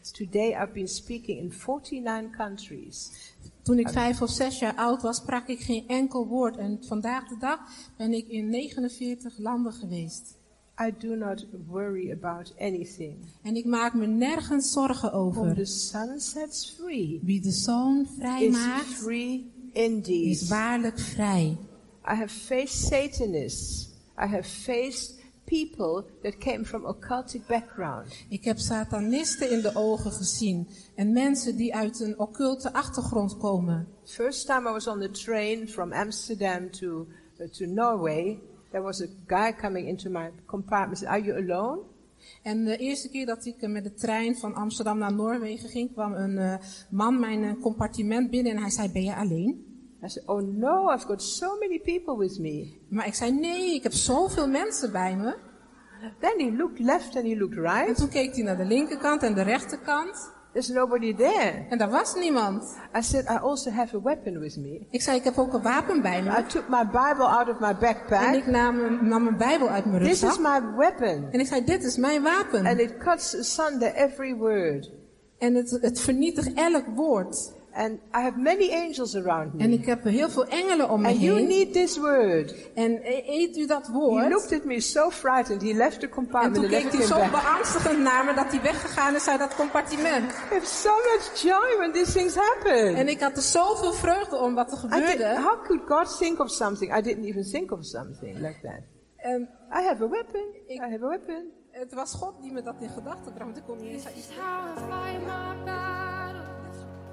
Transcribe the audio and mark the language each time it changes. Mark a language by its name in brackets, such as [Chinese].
[English] Today I've been speaking in 49 countries. [Dutch] Toen ik 5 of 6 jaar oud was, sprak ik geen enkel woord. En vandaag de dag ben ik in 49 landen geweest. [English] I do not worry about anything. [Dutch] En ik maak me nergens zorgen over. [English] For the sun sets free. [Dutch] Wie de zon vrijmaakt, [English] is free indeed. [Dutch] Is waarlijk vrij. [English] I have faced Satanists. I have faced people that came from occultic background. [Dutch] Ik heb satanisten in de ogen gezien en mensen die uit een occulte achtergrond komen. [English] First time I was on the train from Amsterdam to Norway, there was a guy coming into my compartment. Said, Are you alone? [Dutch] En de eerste keer dat ik met de trein van Amsterdam naar Noorwegen ging, kwam een man mijn compartiment binnen en hij zei: "Ben je alleen?" [English] I said, oh no, I've got so many people with me. [Dutch] Maar ik zei, nee, ik heb zoveel mensen bij me. [English] Then he looked left and he looked right. [Dutch] En toen keek hij naar de linkerkant en de rechterkant. [English] There's nobody there. [Dutch] En daar was niemand. [English] I said, I also have a weapon with me. [Dutch] Ik zei, ik heb ook een wapen bij me. [English] I took my Bible out of my backpack. [Dutch] En ik nam mijn Bijbel uit mijn rugzak. [English] This is my weapon. [Dutch] En ik zei, dit is mijn wapen. [English] And it cuts asunder every word. [Dutch] En het vernietigt elk woord. [English] And I have many angels around me. [Dutch] En ik heb heel veel engelen om me [English] and [Dutch] heen. [English] You need this word. [Dutch] En eet u dat woord. [English] He looked at me so frightened. He left the compartment. [Dutch] En toen keek hij zo beangstigend naar me dat hij weggegaan is uit dat compartiment. [English] I have so much joy when these things happen. [Dutch] En ik had er zoveel vreugde om wat er gebeurde. [English] How could God think of something? I didn't even think of something like that. I have a weapon. I have a weapon. [Dutch] Het was God die me dat in gedachten bracht. Ik kon niet eens aan iets denken.